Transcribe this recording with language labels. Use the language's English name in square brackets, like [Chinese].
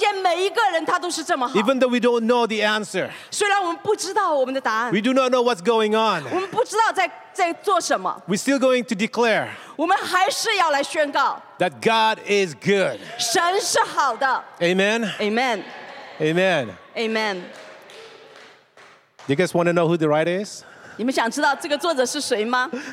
[Chinese] 对我们中间每一个人他都是这么好。 [English] Even though we don't know the answer. [Chinese] 虽然我们不知道我们的答案。 [English] We do not know what's going on. [Chinese] 我们不知道在 [English] We're still going to declare that God is good. [Chinese] 神是好的. [English] Amen. Amen. Amen. Amen. You guys want to know who the writer is? [Chinese] 你们想知道这个作者是谁吗?